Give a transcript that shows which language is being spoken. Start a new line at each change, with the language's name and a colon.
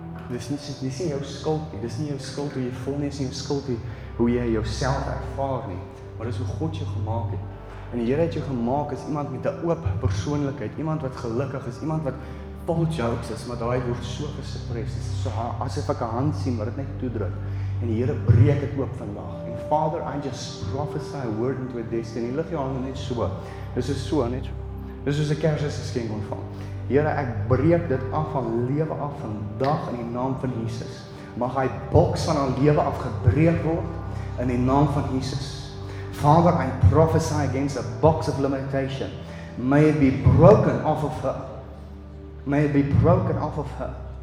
Afrikaans: Dis nie jou skuld hoe jy voel nie, dis nie jou skuld hoe jy jouself ervaar nie, maar dis hoe God jou gemaak het. En die Here het jou gemaak as iemand met 'n oop persoonlikheid, iemand wat gelukkig is, iemand wat vol jokes is, maar daai word so gesuppres, so asof ek 'n hand sien wat dit net toedruk. En die Here breek dit oop vandag.
English: And Father, I just prophesy a word into a destiny. Lift your hand
Afrikaans: net so. Dis is so net. Dis is 'n Kersgeskenk ontvang. Here, ek breek dit af van lewe af vandag in die naam van Jesus. Mag hy boks van haar lewe afgebreek word in die naam van Jesus.
English: Father, I prophesy against a box of limitation. May it be broken off of her. May it be broken off of her.